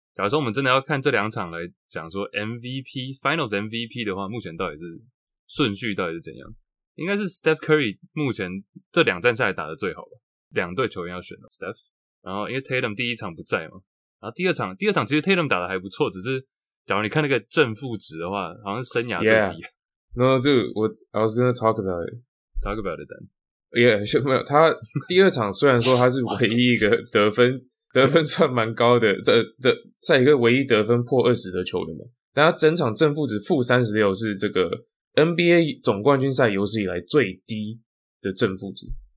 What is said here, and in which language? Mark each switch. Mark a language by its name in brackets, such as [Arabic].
[Chinese] 假如说我们真的要看这两场来讲说 MVP Finals MVP 的话，目前到底是顺序到底是怎样？应该是 Steph Curry 目前这两战下来打得最好吧？两队球员要选了 Steph， 然后因为 Tatum 第一场不在嘛，然后第二场其实 Tatum 打得还不错，只是。假如你看那个正负值的话，好像是生涯最低。 [English] Yeah. No, dude, I was gonna talk about it. Talk about it then. [Chinese] Yeah, 没有他第二场虽然说他是唯一一个得分算蛮高的，在一个唯一得分破20的球员嘛，但他整场正负值-36是这个 NBA 总冠军赛有史以来最低的正负值。